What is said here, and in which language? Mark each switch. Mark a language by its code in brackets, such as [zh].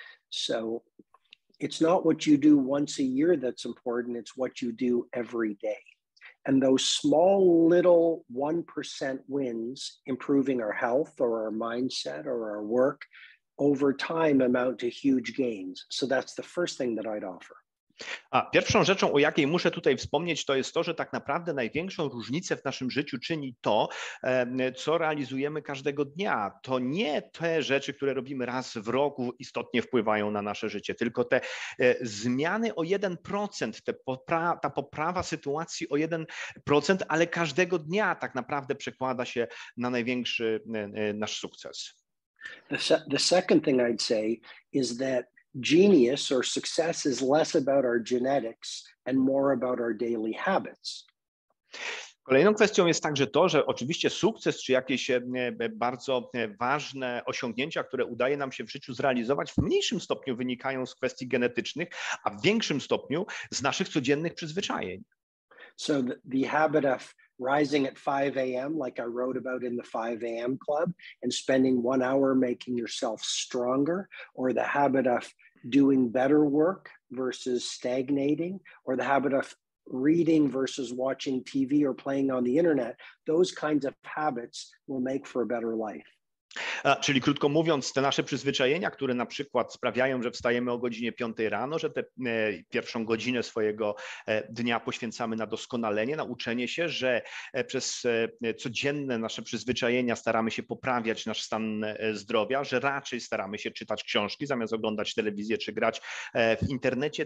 [en] So it's not what you do once a year that's important, it's what you do every day. And those small little 1% wins, improving our health or our mindset or our work, over time amount to huge gains. So that's the first thing that I'd offer. [pl] A pierwszą rzeczą, o jakiej muszę tutaj wspomnieć, to jest to, że tak naprawdę największą różnicę w naszym życiu czyni to, co realizujemy każdego dnia. To nie te rzeczy, które robimy raz w roku, istotnie wpływają na nasze życie, tylko te zmiany o 1%, ta poprawa sytuacji o 1%, ale każdego dnia tak naprawdę przekłada się na największy nasz sukces. [en] The second thing I'd say is that genius or success is less about our genetics and more about our daily habits. [pl] Kolejną kwestią jest także to, że oczywiście sukces czy jakieś bardzo ważne osiągnięcia, które udaje nam się w życiu zrealizować, w mniejszym stopniu wynikają z kwestii genetycznych, a w większym stopniu z naszych codziennych przyzwyczajeń. [en] So the habit of rising at 5 a.m., like I wrote about in the 5 a.m. club, and spending 1 hour making yourself stronger, or the habit of doing better work versus stagnating, or the habit of reading versus watching TV or playing on the internet, those kinds of habits will make for a better life. [pl] Czyli krótko mówiąc, te nasze przyzwyczajenia, które na przykład sprawiają, że wstajemy o godzinie 5 rano, że tę pierwszą godzinę swojego dnia poświęcamy na doskonalenie, na uczenie się, że przez codzienne nasze przyzwyczajenia staramy się poprawiać nasz stan zdrowia, że raczej staramy się czytać książki zamiast oglądać telewizję czy grać w internecie.